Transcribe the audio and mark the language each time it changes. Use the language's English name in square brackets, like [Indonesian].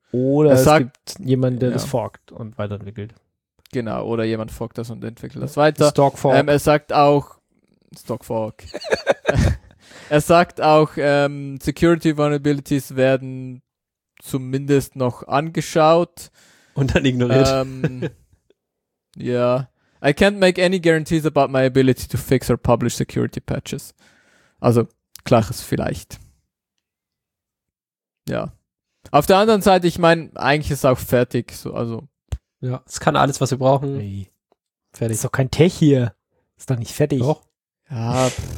[German] Oder es gibt jemanden, der das forkt und weiterentwickelt. Genau, oder jemand forkt das und entwickelt das weiter. Stalk-fork. Er sagt auch Stalk-fork. Er sagt auch, Security Vulnerabilities werden zumindest noch angeschaut. Und dann ignoriert. [English] I can't make any guarantees about my ability to fix or publish security patches. [German] Also, klares vielleicht. Ja. Auf der anderen Seite, ich meine, eigentlich ist es auch fertig. So, also. Ja, es kann alles, was wir brauchen. Hey. Fertig. Ist doch kein Tech hier. Ist doch nicht fertig. Doch. Ja,